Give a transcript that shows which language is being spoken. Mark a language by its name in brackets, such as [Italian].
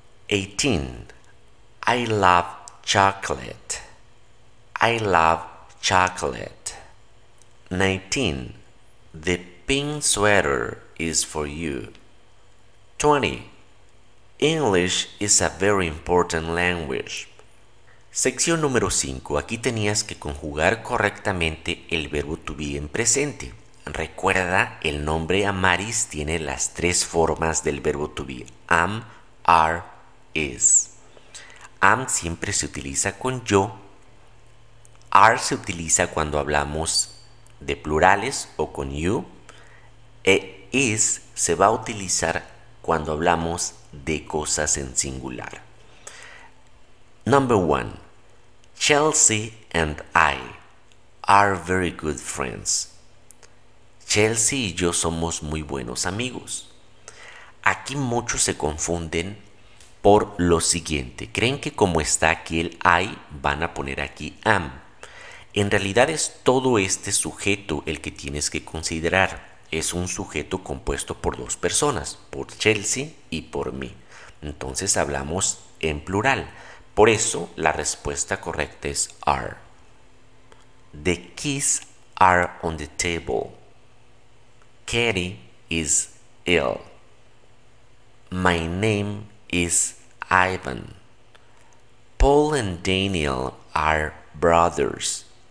[English] 18. I love chocolate. I love chocolate. 19. The pink sweater is for you. 20. English is a very important language. [Spanish] Sección número 5. Aquí tenías que conjugar correctamente el verbo to be en presente. Recuerda, el nombre Amaris tiene las tres formas del verbo to be: am, are, is. Am siempre se utiliza con yo. Are se utiliza cuando hablamos de plurales o con you. E is se va a utilizar cuando hablamos de cosas en singular. [English] Number one. Chelsea and I are very good friends. [Spanish] Chelsea y yo somos muy buenos amigos. Aquí muchos se confunden por lo siguiente. Creen que como está aquí el I, van a poner aquí am. En realidad es todo este sujeto el que tienes que considerar. Es un sujeto compuesto por dos personas, por Chelsea y por mí. Entonces hablamos en plural. Por eso la respuesta correcta es are. [English] The keys are on the table. Katie is ill. My name is Ivan. Paul and Daniel are brothers.